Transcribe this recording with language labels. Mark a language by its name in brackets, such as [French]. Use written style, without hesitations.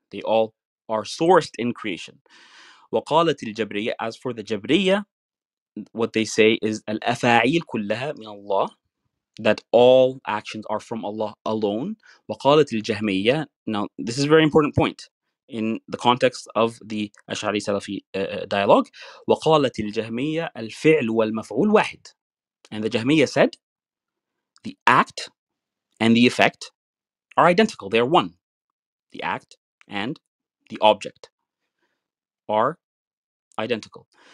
[English] They all are sourced in creation. [Arabic] وقالت الجبرية, [English] as for the Jabriya, what they say is [Arabic] الأفاعيل كلها من الله, [English] that all actions are from Allah alone. [Arabic] وقالت الجهمية, [English] now this is a very important point in the context of the Ash'ari Salafi dialogue. [Arabic] وقالت الجهمية الفعل والمفعول واحد. [English] And the Jahmiya said, the act and the effect are identical, they are one. The act and the object are identical.